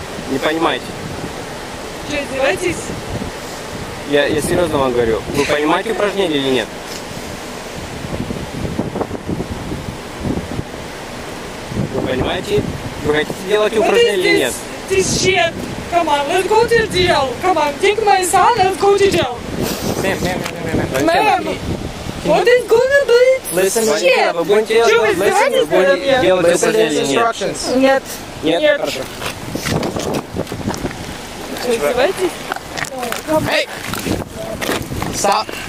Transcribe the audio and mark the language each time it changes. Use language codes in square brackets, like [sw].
[ru] Не понимаете? Что, издевайтесь? Я серьезно вам говорю, вы понимаете упражнение или нет? Вы понимаете? Вы хотите делать упражнение или нет? [en] This shit! Come on, let's go to jail! Come on, take my son and go to jail! Ma'am! What is gonna be? Listen, shit! [ru] Что, вы будете делать упражнение или нет? Нет. Нет? Хорошо. Что, издевайтесь? [en] Hey! Stop!